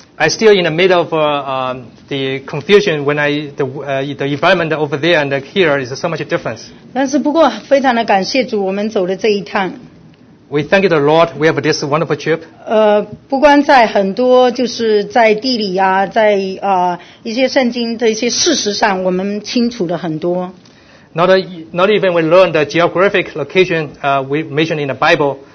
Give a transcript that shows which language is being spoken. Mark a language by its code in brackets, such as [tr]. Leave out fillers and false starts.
[en] I still in the middle of the confusion when I the environment over there and here is so much difference. [zh] 但是不过非常的感谢主，我们走了这一趟。 [en] We thank you the Lord. We have this wonderful trip. [zh] 不光在很多就是在地理啊，在一些圣经的一些事实上，我们清楚了很多。 [en] Not even we learned the geographic location we mentioned in the Bible.